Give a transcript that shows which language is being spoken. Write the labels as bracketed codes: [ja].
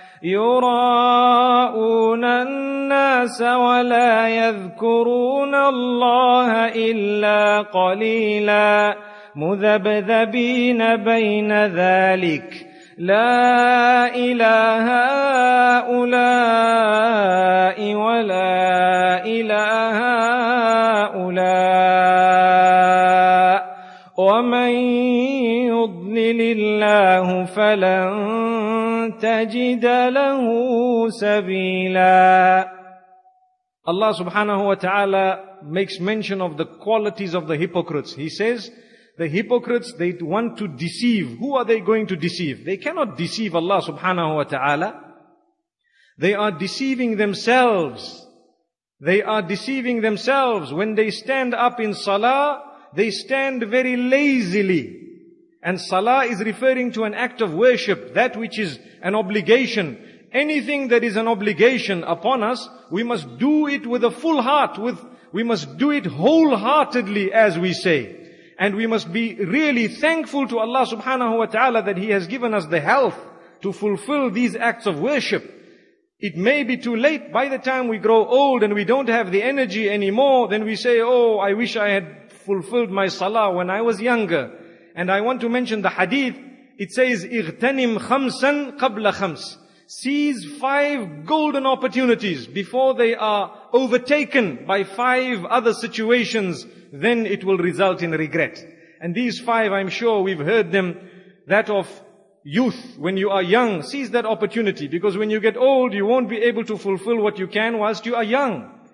[ar] يراءون الناس ولا يذكرون الله إلا قليلا مذبذبين بين ذلك لا إله هؤلاء ولا إله هؤلاء ومن يضلل الله فلن تجد له سبيلا. [en] Allah subhanahu wa ta'ala makes mention of the qualities of the hypocrites. He says, the hypocrites, they want to deceive. Who are they going to deceive? They cannot deceive Allah subhanahu wa ta'ala. They are deceiving themselves. They are deceiving themselves. When they stand up in salah, they stand very lazily. And salah is referring to an act of worship, that which is an obligation. Anything that is an obligation upon us, we must do it with a full heart, we must do it wholeheartedly, as we say. And we must be really thankful to Allah subhanahu wa ta'ala that He has given us the health to fulfill these acts of worship. It may be too late. By the time we grow old and we don't have the energy anymore, then we say, oh, I wish I had fulfilled my salah when I was younger. And I want to mention the hadith. It says, [ar] اغتنم خمسا قبل خمس. [en] Seize five golden opportunities before they are overtaken by five other situations, then it will result in regret. And these five, I'm sure we've heard them, that of youth, when you are young, seize that opportunity, because when you get old, you won't be able to fulfill what you can whilst you are young.